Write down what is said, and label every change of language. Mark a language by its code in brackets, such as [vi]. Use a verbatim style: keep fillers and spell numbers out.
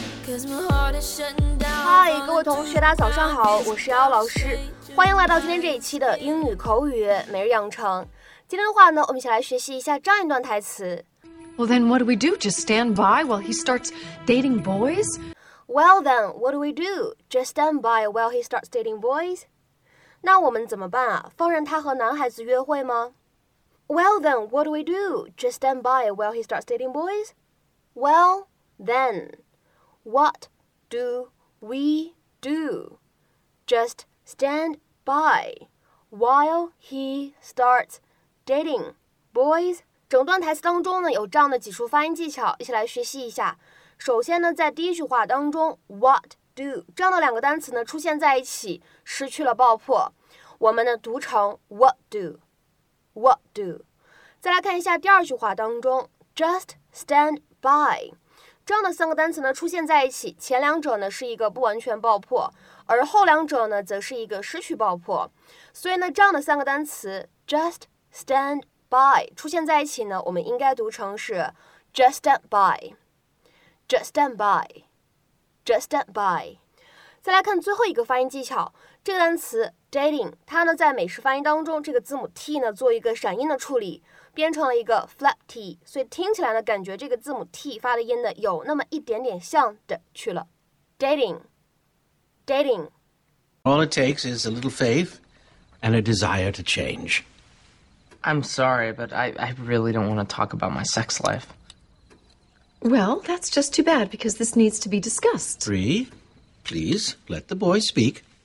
[zh] 嗨，各位同学，大家早上好，我是姚老师，欢迎来到今天这一期的英语口语每日养成。今天的话呢，我们一起来学习一下这样一段台词。 [en] Well then, what do we do? Just stand by while he starts dating boys? Well then, what do we do? Just stand by while he starts dating boys? [zh] 那我们怎么办啊？放任他和男孩子约会吗？ [en] Well then, what do we do? Just stand by while he starts dating boys? Well then, what do we do? Just stand by while he starts dating boys? [zh] 整段台词当中呢，有这样的几处发音技巧，一起来学习一下。首先呢，在第一句话当中 what do 这样的两个单词呢出现在一起，失去了爆破，我们呢读成 what do。 What do？再来看一下第二句话当中 just stand by 这样的三个单词呢出现在一起，前两者呢是一个不完全爆破，而后两者呢则是一个失去爆破，所以呢这样的三个单词 just stand by 出现在一起呢，我们应该读成是 just stand by just stand by just stand by。再来看最后一个发音技巧，这个单词dating 它呢在美式发音当中，这个字母 t 呢做一个闪音的处理，变成了一个 flap t， 所以听起来呢感觉这个字母 t 发的音呢有那么一点点像的去了。 [en] dating dating All it takes is a little faith and a desire to change. I'm sorry, but I, I really don't want to talk about my sex life. Well, that's just too bad because this needs to be discussed. Bree, please let the boy speak.